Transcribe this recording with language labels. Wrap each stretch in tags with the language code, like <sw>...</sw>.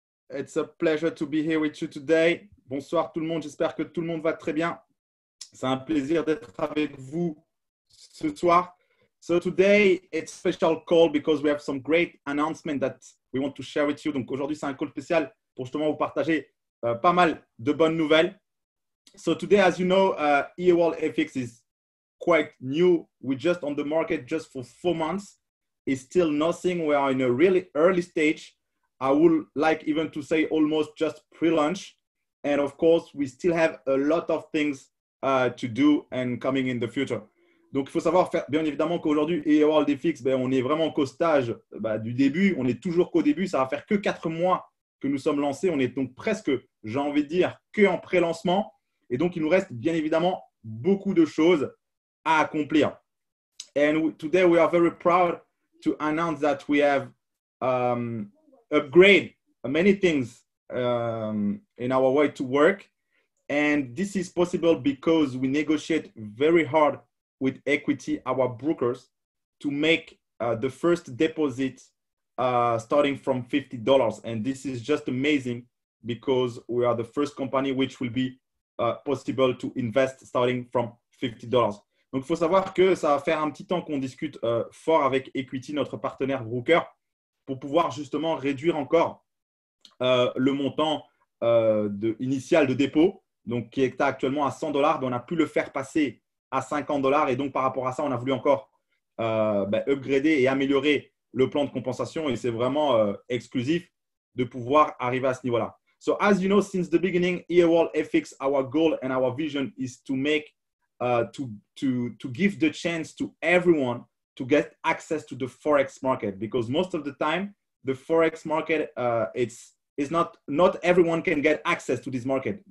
<en>It's a pleasure to be here with you today.</en> <fr>Bonsoir tout le monde, j'espère que tout le monde va très bien. C'est un plaisir d'être avec vous ce soir.</fr> <en>So today, it's a special call because we have some great announcement that we want to share with you.</en> <fr>Donc aujourd'hui, c'est un call spécial pour justement vous partager pas mal de bonnes nouvelles.</fr> <en>So today, as you know, EOL FX is quite new. We're just on the market just for 4 months. Is still nothing. We are in a really early stage. I would like even to say almost just pre-launch. And of course, we still have a lot of things to do and coming in the future.</en> <fr>Donc, il faut savoir faire, bien évidemment qu'aujourd'hui, EOL FX, ben, on est vraiment qu'au stage ben, du début. On est toujours qu'au début. Ça va faire que 4 mois que nous sommes lancés. On est donc presque, j'ai envie de dire, qu'en pré-lancement. Et donc, il nous reste bien évidemment beaucoup de choses à accomplir.</fr> <en>And today, we are very proud to announce that we have upgraded many things in our way to work. And this is possible because we negotiate very hard with Equity, our brokers, to make the first deposit starting from $50. And this is just amazing because we are the first company which will be possible to invest starting from $50.</en> <fr>Donc, il faut savoir que ça va faire un petit temps qu'on discute fort avec Equity, notre partenaire broker, pour pouvoir justement réduire encore le montant initial de dépôt, donc qui est actuellement à $100, mais on a pu le faire passer à $50. Et donc, par rapport à ça, on a voulu encore upgrader et améliorer le plan de compensation. Et c'est vraiment exclusif de pouvoir arriver à ce niveau-là.</fr> <en>So, as you know, since the beginning, EOL FX, our goal and our vision is to make to give the chance to everyone to get access to the forex market, because most of the time the forex market it's not everyone can get access to this market.</en>